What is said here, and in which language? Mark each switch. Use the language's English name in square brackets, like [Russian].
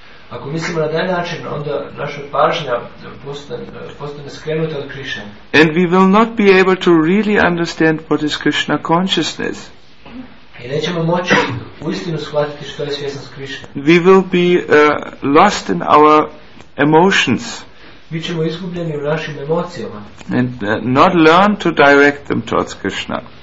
[Croatian] Ako mislimo na taj način, onda naša pažnja postane skrenuta od Krishna. [English] And we will not be able to really understand what is Krishna consciousness. [Croatian] I nećemo moći uistinu shvatiti što je svjesnost Krishna. [English] We will be lost in our emotions. [Croatian] Mi ćemo izgubljeni u našim emocijama. [English] And not learn to direct them towards Krishna.